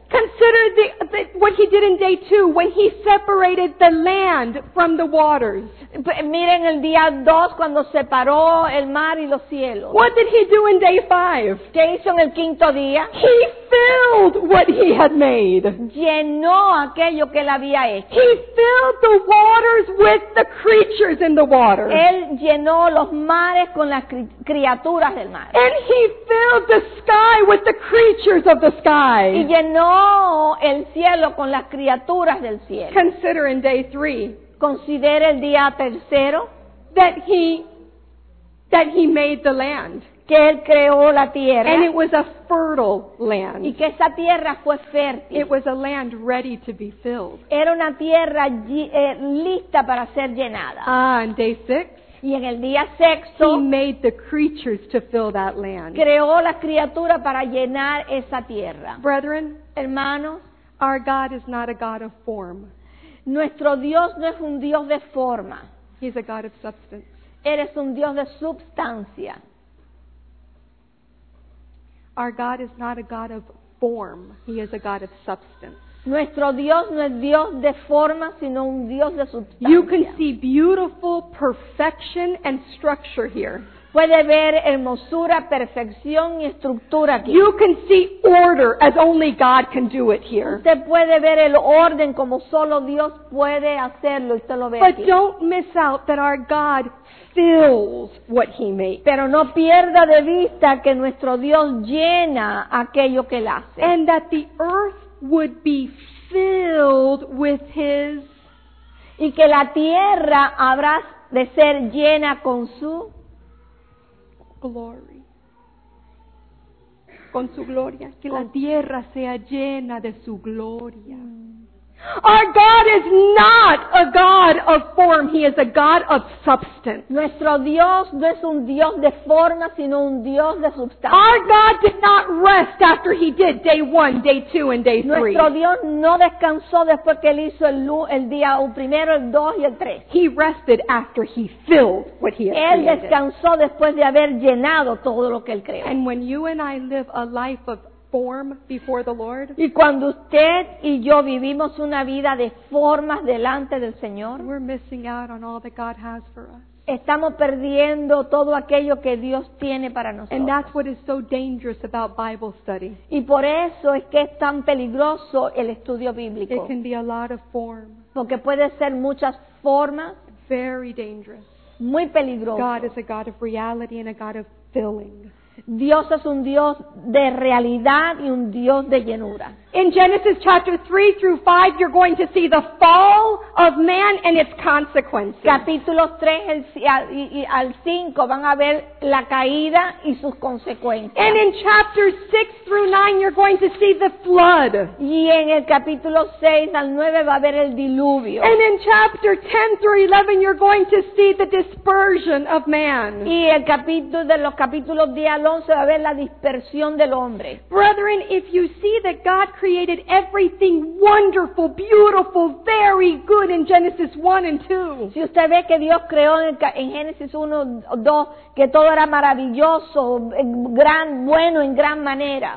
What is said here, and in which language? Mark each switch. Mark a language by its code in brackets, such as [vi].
[en] Consider the what He did in day two when He separated the land from the waters. [es] Miren el día dos cuando separó el mar y los cielos. [en] What did He do in day five? [es] ¿Qué hizo en el quinto día? [en] He filled what He had made. [es] Llenó aquello que él había hecho. [en] He filled the waters with the creatures in the water. [es] Él llenó los mares con las criaturas del mar. [en] And He filled the sky with the creatures of the sky. [es] Y llenó el cielo con las criaturas del cielo. [en] Consider in day three. [es] Considere el día tercero. [en] That he made the land. [es] Que él creó la tierra. [en] And it was a fertile land. [es] Y que esa tierra fue fértil. [en] It was a land ready to be filled. [es] Era una tierra lista para ser llenada. [en] In day six. [es] Y en el día sexto, [en] He made the creatures to fill that land. [es] Creó la criatura para llenar esa tierra. [en] Brethren, [es] hermanos, [en] our God is not a God of form. [es] Nuestro Dios no es un Dios de forma. [en] He's a God of substance. [es] Eres un Dios de substancia. [en] Our God is not a God of form. He is a God of substance. [es] Nuestro Dios no es Dios de forma, sino un Dios de sustancia. [en] You can see beautiful perfection and structure here. [es] Puede ver hermosura, perfección y estructura aquí. [en] You can see order as only God can do it here. [es] Usted puede ver el orden como solo Dios puede hacerlo. Usted lo ve [en] But [es] aquí. [en] Don't miss out that our God fills what He makes. [es] Pero no pierda de vista que nuestro Dios llena aquello que Él hace. [en] And that the earth would be filled with His, [es] y que la tierra habrá de ser llena con su [en] glory, [es] con su gloria, que la tierra sea llena de su gloria. [en] Our God is not a God of form. He is a God of substance. [es] Nuestro Dios no es un Dios de forma, sino un Dios de sustancia. [en] Our God did not rest after he did day one, day two, and day three. [es] Nuestro Dios no descansó después que él hizo el día el primero, el dos y el tres. [en] He rested after he filled what he had created. [es] Él descansó después de haber llenado todo lo que él creó. [en] And when you and I live a life of form before the Lord. [es] Y cuando usted y yo vivimos una vida de formas delante del Señor, [en] we're missing out on all that God has for us. [es] Estamos perdiendo todo aquello que Dios tiene para nosotros. [en] And that's what is so dangerous about Bible study. [es] Y por eso es que es tan peligroso el estudio bíblico. [en] It can be a lot of form. [es] Porque puede ser muchas formas. [en] Very dangerous. [es] Muy peligroso. [en] God is a God of reality and a God of filling. [es] Dios es un Dios de realidad y un Dios de llenura. [en] In Genesis chapter 3 through 5, you're going to see the fall of man and its consequences. [es] Capítulos 3 al 5 van a ver la caída y sus consecuencias. [en] And in chapters 6 through 9, you're going to see the flood. [es] Y en el capítulo 6 al 9 va a ver el diluvio. [en] And in chapter 10 through 11, you're going to see the dispersion of man. [es] Y el capítulo de los capítulos 10 al 11 va a ver la dispersión del hombre. [en] Brethren, if you see that God created everything wonderful, beautiful, very good in Genesis 1 and 2. [es] Si usted ve que Dios creó en Génesis 1 o 2 que todo era maravilloso, gran, bueno en gran manera.